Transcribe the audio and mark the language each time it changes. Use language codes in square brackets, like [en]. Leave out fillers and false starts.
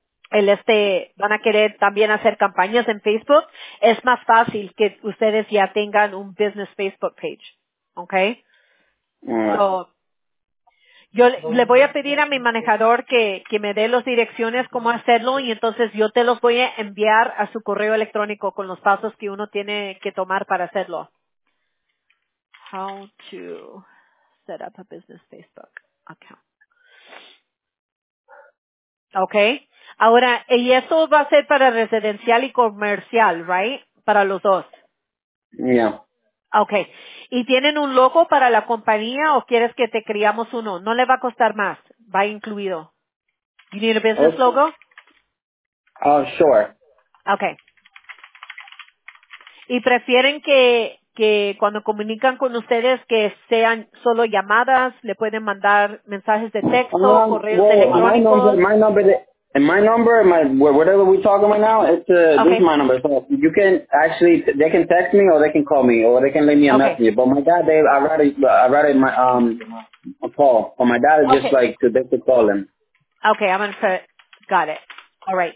[es] el van a querer también hacer campañas en Facebook, es más fácil que ustedes ya tengan un business Facebook page, okay. [en] Yeah. [es] So, yo le voy a pedir a mi manejador que me dé las direcciones cómo hacerlo y entonces yo te los voy a enviar a su correo electrónico con los pasos que uno tiene que tomar para hacerlo. [en] How to set up a business Facebook account. [es] Okay. Ahora, y eso va a ser para residencial y comercial, right? Para los dos. [en] Yeah. Okay. [es] ¿Y tienen un logo para la compañía o quieres que te creamos uno? No le va a costar más. Va incluido. [en] You need a business logo? Sure. Okay. [es] ¿Y prefieren que cuando comunican con ustedes que sean solo llamadas, le pueden mandar mensajes de texto, correos electrónicos? [en] Whatever we're talking about now, this is my number. So you can actually, they can text me or they can call me or they can leave me a message. But my dad, I'd rather a call. But my dad is just like, they could call him. Okay, I'm going to put, got it. All right.